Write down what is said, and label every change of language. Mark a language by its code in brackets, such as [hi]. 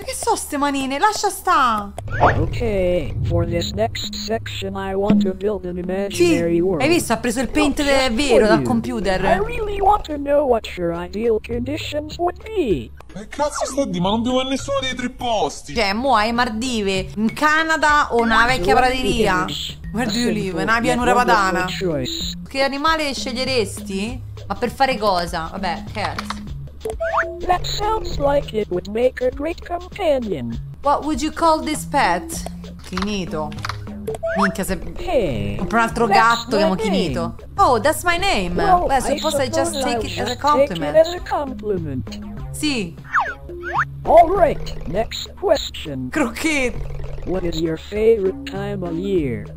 [it] Ste manine, lascia sta. [en] Ok, for this next section I want to build an imaginary world. [it] Sì, hai visto, ha preso il paint vero dal computer. [en] I really want to know what your ideal conditions would be. [it] Ma cazzo sta di, ma non devo a nessuno dei tre posti. Cioè, mo hai Maldive, in Canada o una vecchia prateria? [en] Where do you live? [it] Una pianura padana. Che animale sceglieresti? Ma per fare cosa? Vabbè, cazzo. [en] That sounds like it would make a great companion. What would you call this pet? Kinito. [it] Minchia, se compro un altro gatto, chiamo Kinito. [en] Oh, that's my name. Well, suppose I just take it as a compliment. [it] Sì. [en] All right, next question. Crocchet. What is your favorite time of year?